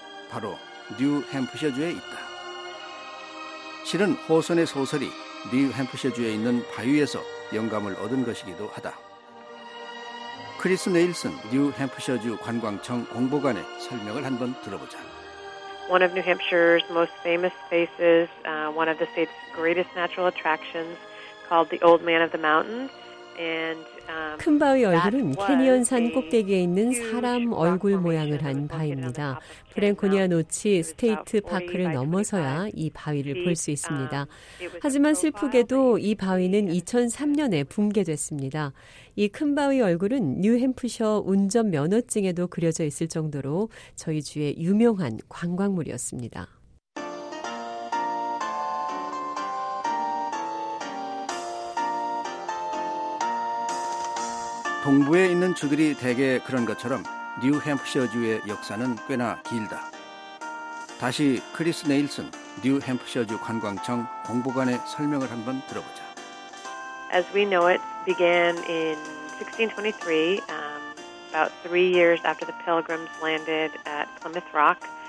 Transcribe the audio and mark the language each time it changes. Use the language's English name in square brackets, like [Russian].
[Korean] 바로 뉴햄프셔주에 있다. 실은 호손의 소설이 뉴햄프셔주에 있는 바위에서 영감을 얻은 것이기도 하다. 크리스 네일슨 뉴햄프셔주 관광청 공보관의 설명을 한번 들어보자. [English] One of New Hampshire's most famous faces, one of the state's greatest natural attractions called the Old Man of the Mountains. [Korean] 큰 바위 얼굴은 캐니언산 꼭대기에 있는 사람 얼굴 모양을 한 바위입니다. 프랭코니아 노치 스테이트 파크를 넘어서야 이 바위를 볼 수 있습니다. 하지만 슬프게도 이 바위는 2003년에 붕괴됐습니다. 이 큰 바위 얼굴은 뉴햄프셔 운전면허증에도 그려져 있을 정도로 저희 주의 유명한 관광물이었습니다. 동부에 있는 주들이 대개 그런 것처럼 뉴햄프셔주의 역사는 꽤나 길다. 다시 크리스 네일슨 뉴햄프셔주 관광청 공보관의 설명을 한번 들어보자. [English] As we know it began in 1623, about 3 years after the Pilgrims landed at Plymouth Rock.